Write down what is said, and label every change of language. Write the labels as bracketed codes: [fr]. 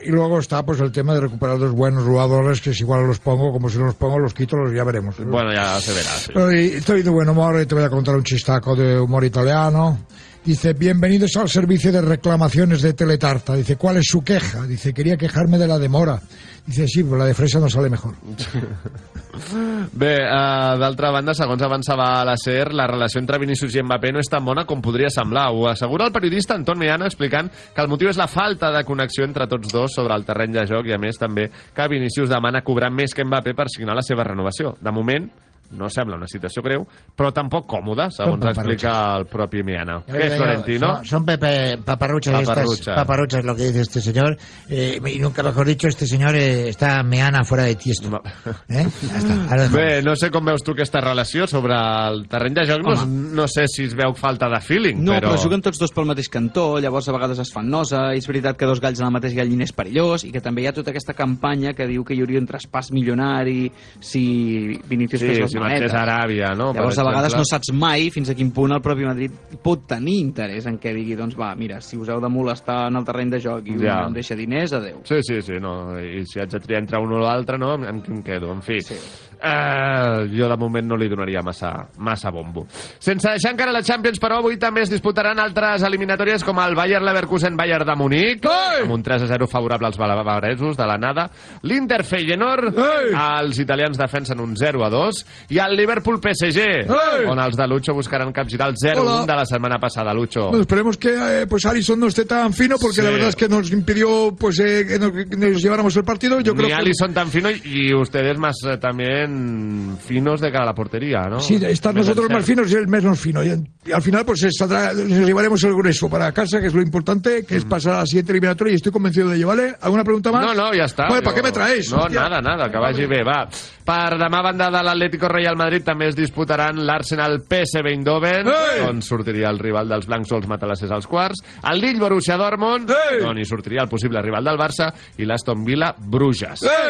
[es] Y luego está pues el tema de recuperar dos buenos jugadores, que si igual los pongo, como si no los pongo, los quito, los ya veremos. Bueno, ya se verá. Sí. Pero estoy de buen humor y te voy a contar un chistaco de humor italiano. Dice, bienvenidos al servicio de reclamaciones de Teletarta. Dice, ¿cuál es su queja? Dice, quería quejarme de la demora. Dice, sí, pero la de fresa no sale mejor. [ca] Bé, d'altra banda, segons avançava la SER, la relació entre Vinícius i Mbappé no és tan bona com podria semblar. Ho assegura el periodista Anton Meana explicant que el motiu és la falta de connexió entre tots dos sobre el terreny de joc i, a més, també que Vinícius demana cobrar més que Mbappé per signar la seva renovació. De moment... no sembla una situació greu, però tampoc còmoda, segons explica el propi Miana. Què és, Florentino? [es] Són paparruchas estas. Paparruchas, lo que dice este señor. Y nunca mejor dicho, este señor está Miana fuera de Tiesto. No. [ca] Bé, no sé com veus tu aquesta relació sobre el terreny de joc. No sé si es veu falta de feeling. No, però juguen tots dos pel mateix cantó, llavors a vegades es fan nosa, i és veritat que dos galls en la mateixa gallina és perillós, i que també hi ha tota aquesta campanya que diu que hi hauria un traspàs milionari si Vinícius fes si marxés a Aràbia, no? Llavors, a vegades no saps mai fins a quin punt el propi Madrid pot tenir interès en què digui, doncs va, mira, si us heu de molestar en el terreny de joc i ja em deixa diners, adéu. Sí, sí, sí, no, i si haig de triar entre un o l'altre, no, en què em quedo, en fi. Sí. Jo de moment no li donaria massa bombo. Sense deixar encara la Champions, però avui també es disputaran altres eliminatòries com el Bayer Leverkusen Bayern de Munic, amb un 3-0 favorable als bavaresos de l'anada, l'Inter Feyenoord, els italians defensen un 0-2, i el Liverpool PSG, on els de Lucho buscaran capgirar el 0-1 de la setmana passada, Lucho. [es] Bueno, esperemos que pues Alisson no esté tan fino, porque la verdad es que nos impidió pues, que nos lleváramos el partido. Yo ni creo que... Alisson tan fino, y ustedes más también finos de cara a la portería, ¿no? Sí, están menos nosotros más finos y el menos fino. Y al final, pues, llevaremos el grueso para casa, que es lo importante, que es pasar a la siguiente eliminatoria, y estoy convencido de ello, ¿vale? ¿Alguna pregunta más? No, no, ya está. Bueno, ¿para qué me traéis? No, hostia. Nada, nada, [ca] que vagi bé, va. Per demà, banda de l'Atlético Real Madrid, també es disputaran l'Arsenal PSV Eindhoven, on sortiria el rival dels blancs o els matalassers als quarts, el Lille Borussia Dortmund, on hi sortiria el possible rival del Barça, i l'Aston Villa Bruges.